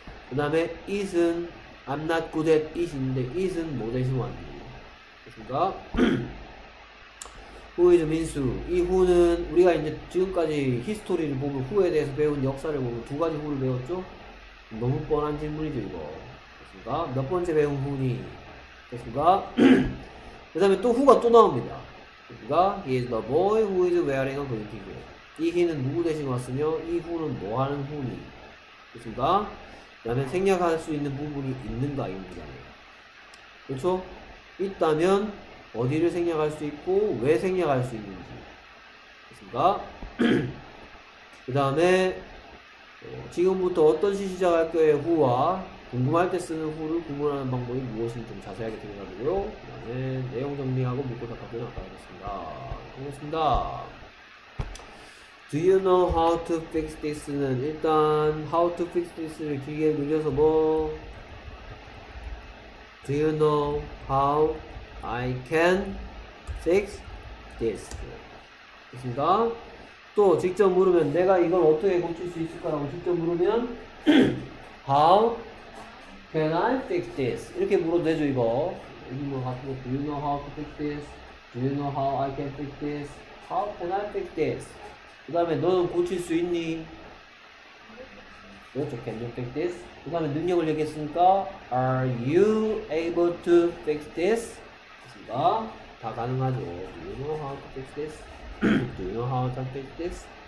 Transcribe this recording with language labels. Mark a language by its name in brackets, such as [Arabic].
[Korean] 그 다음에 it은 [English] I'm not good at it [Korean] 인데 it은 뭐 대신 왔니 그러니까 who is 민수. 이 who는 우리가 이제 지금까지 히스토리를 보면 who에 대해서 배운 역사를 보면 두 가지 who를 배웠죠. 너무 뻔한 질문이죠, 이거. 됐습니까? 몇 번째 배운 후니? 됐습니까? 그 다음에 또 후가 또 나옵니다. 됐습니까? [English] He is the boy who is wearing a green t-shirt. [Korean] 이 he는 누구 대신 왔으며, 이 후는 뭐 하는 후니? 됐습니까? 그 다음에 생략할 수 있는 부분이 있는가입니다. 그렇죠? 있다면, 어디를 생략할 수 있고, 왜 생략할 수 있는지. 됐습니까? 그 다음에, 지금부터 어떤 시 시작할까의 후와 궁금할 때 쓰는 후를 구분하는 방법이 무엇인지 좀 자세하게 들어가고요. 그 다음에 내용 정리하고 묻고 답하고 나가겠습니다. 고맙습니다. [English] Do you know how to fix this?는 [Korean] 일단 [English] how to fix this를 [Korean] 길게 늘려서 뭐 [English] Do you know how I can fix this? [Korean] 됐습니다. 또 직접 물으면 내가 이걸 어떻게 고칠 수 있을까라고 직접 물으면 [English] How can I fix this? [Korean] 이렇게 물어도 되죠 이거. 이거 같은 거 [English] Do you know how to fix this? Do you know how I can fix this? How can I fix this? [Korean] 그 다음에 너는 고칠 수 있니? 그렇죠. [English] Can you fix this? [Korean] 그 다음에 능력을 얘기했으니까 [English] Are you able to fix this? [Korean] 됐습니다. 다 가능하죠. [English] Do you know how to fix this? Do you know how to fix this?